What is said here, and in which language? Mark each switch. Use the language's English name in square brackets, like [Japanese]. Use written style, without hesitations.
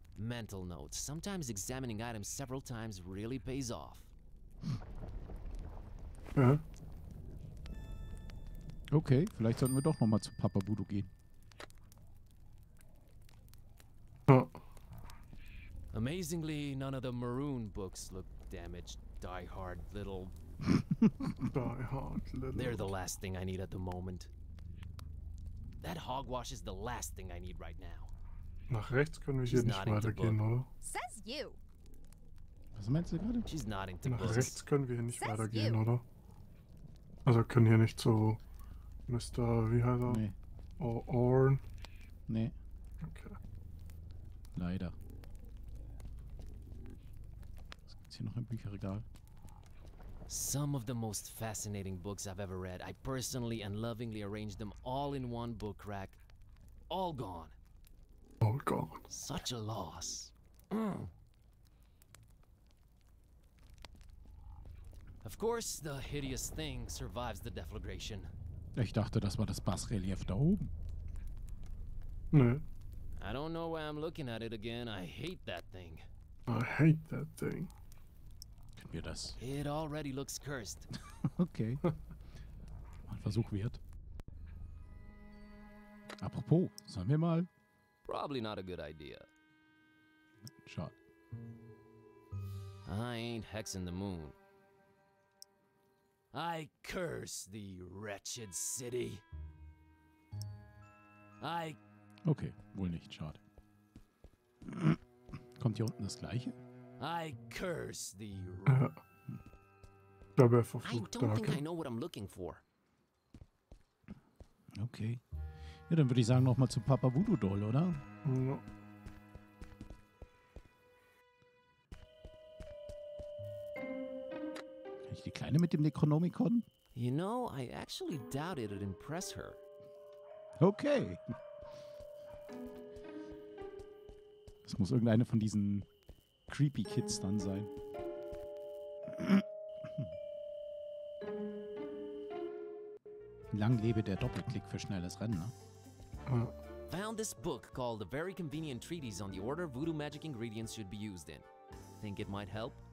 [English] Mental note, sometimes examining items several times really pays off. [German] Ja. Okay, vielleicht sollten wir doch nochmal zu Papa Voodoo gehen. Oh. [English] Amazingly, none of the maroon books look damaged, die hard little... They're the last thing I need at the moment. That hogwash is the last thing I need right now. [German] Nach rechts können wir hier nicht weitergehen, oder? [English] Says you. [German] Was meinst du gerade? [English] She's nodding to [German] Nach [English] books. [German] Rechts können wir hier nicht [English] Says [German] weitergehen, [English] you. [German] Oder? Also können hier nicht zu Mr. Wie heißt er? Nee. Orne. Nee. Okay. Leider. Was gibt's hier noch im Bücherregal? [English] Some of the most fascinating books I've ever read. I personally and lovingly arranged them all in one book rack. All gone. All gone. Such a loss. Of course, the hideous thing survives the deflagration. [German] Ich dachte, das war das Bassrelief da oben. Nö. [English] I don't know why I'm looking at it again. I hate that thing. I hate that thing. [German] Das. [English] It already looks cursed. [German] Okay. Mal Versuch wert. Apropos, sagen wir mal. [English] Probably not a good idea. Shot. I ain't hexing the moon. I curse the wretched city. I. [German] Okay, wohl nicht, schade. Kommt hier unten das Gleiche? [English] I curse the. I don't think I know what I'm looking for. Okay. [German] Ja, dann würde ich sagen, nochmal zu Papa Voodoo Doll, oder? [English] No. [German] Kann ich die Kleine mit dem Necronomicon? [English] You know, I actually doubt it'd impress her. Okay. [German] Das muss irgendeine von diesen [English] creepy kids [German] dann sein. Lang lebe der Doppelklick für schnelles Rennen, ne? [English] Found found this book called A Very Convenient Treatise on the Order Voodoo Magic Ingredients Should Be Used In. Think it might help?